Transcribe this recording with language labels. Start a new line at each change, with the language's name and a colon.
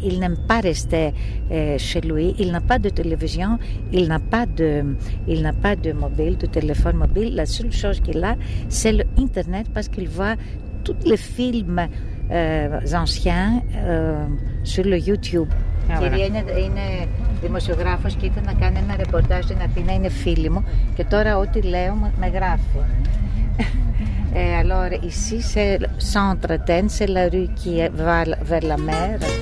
French: Il n'aime pas rester chez lui. Il n'a pas de télévision, il n'a pas de mobile, de téléphone mobile. La seule chose qu'il a, c'est l'Internet, parce qu'il voit tous les films anciens sur le YouTube.
Greek: Είναι δημοσιογράφος και ήθελε να κάνει ένα ρεπορτάζ στην Αθήνα. Είναι φίλη μου και τώρα ό,τι λέω με γράφει.
French: Alors, ici, c'est le centre Athènes, c'est la rue qui va vers la mer.